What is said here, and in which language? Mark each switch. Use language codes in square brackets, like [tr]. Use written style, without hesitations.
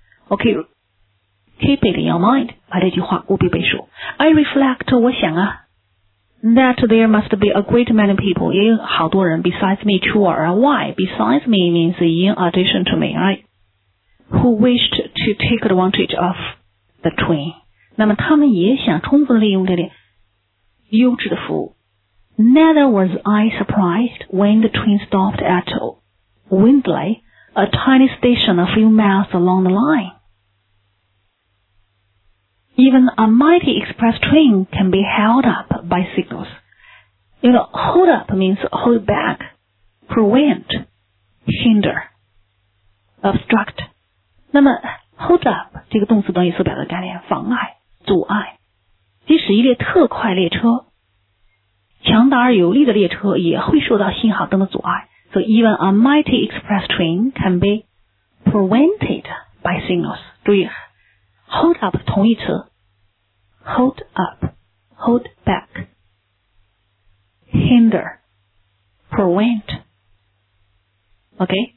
[en] Okay, keep it in your mind. [zh] 把这句话务必背熟。 [en] I reflect, [zh] 我想啊 [en] that there must be a great many people, [zh] 也有好多人 [en] besides me, to or why? Besides me means in addition to me, right? Who wished to take advantage of the train. [zh] 那么他们也想充分利用这点优质的服务。 [en] Neither was I surprised when the train stopped at Windley, a tiny station a few miles along the line. Even a mighty express train can be held up by signals. You know, hold up means hold back, prevent, hinder, obstruct. [zh] 那么 hold up 这个动词短语所表达的概念，妨碍、阻碍，即使一列特快列车。强大而有力的列车也会受到信号灯的阻碍 [en] So even a mighty express train can be prevented by signals [zh] 注意 [en] Hold up [zh] 同义词 [en] Hold up Hold back Hinder Prevent OK